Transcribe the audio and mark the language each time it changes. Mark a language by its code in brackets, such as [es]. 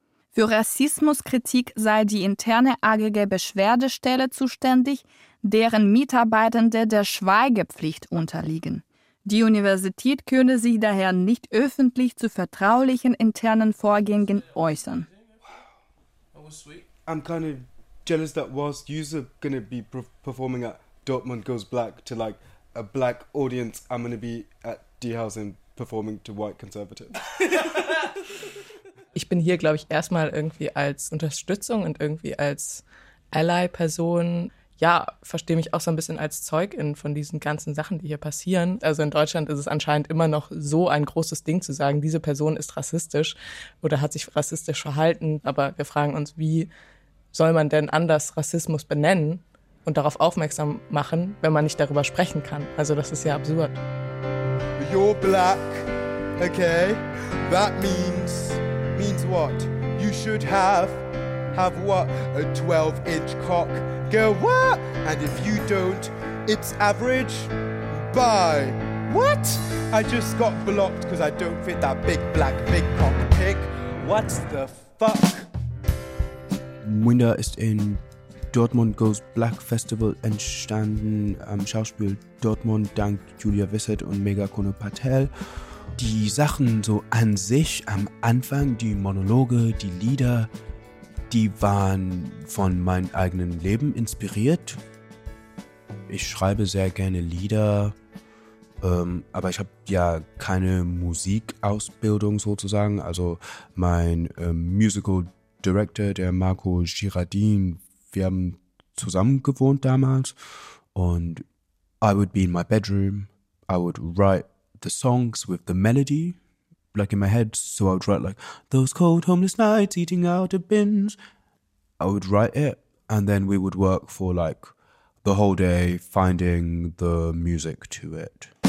[de] Für Rassismuskritik sei die interne AGG-Beschwerdestelle zuständig, deren Mitarbeitende der Schweigepflicht unterliegen. Die Universität könne sich daher nicht öffentlich zu vertraulichen internen Vorgängen äußern. [en] Wow, that was sweet. I'm kind of jealous that whilst you're gonna be performing at Dortmund Goes Black to like a black audience, I'm gonna be at Diehausen performing to white conservatives. [de] Ich bin hier, glaube ich, erstmal irgendwie als Unterstützung und irgendwie als Ally-Person. Ja, verstehe mich auch so ein bisschen als Zeugin von diesen ganzen Sachen, die hier passieren. Also in Deutschland ist es anscheinend immer noch so ein großes Ding zu sagen, diese Person ist rassistisch oder hat sich rassistisch verhalten. Aber wir fragen uns, wie soll man denn anders Rassismus benennen und darauf aufmerksam machen, wenn man nicht darüber sprechen kann? Also das ist ja absurd. [en] you're black, okay? That means what? You should have what? A 12-inch cock. Girl, what? And if you don't, it's average. Bye. What? I just got blocked because I don't fit that big black big cock pick. What the fuck? [de] Winder ist in Dortmund Goes Black Festival entstanden am Schauspiel Dortmund dank Julia Wissert und Megakono Patel. Die Sachen so an sich am Anfang, die Monologe, die Lieder, die waren von meinem eigenen Leben inspiriert. Ich schreibe sehr gerne Lieder, aber ich habe ja keine Musikausbildung sozusagen. Also mein Musical Director, der Marco Girardin, wir haben zusammen gewohnt damals. Und [en] I would be in my bedroom, I would write the songs with the melody, like in my head. So I would write like, those cold homeless nights eating out of bins. I would write it and then we would work for like the whole day finding the music to it.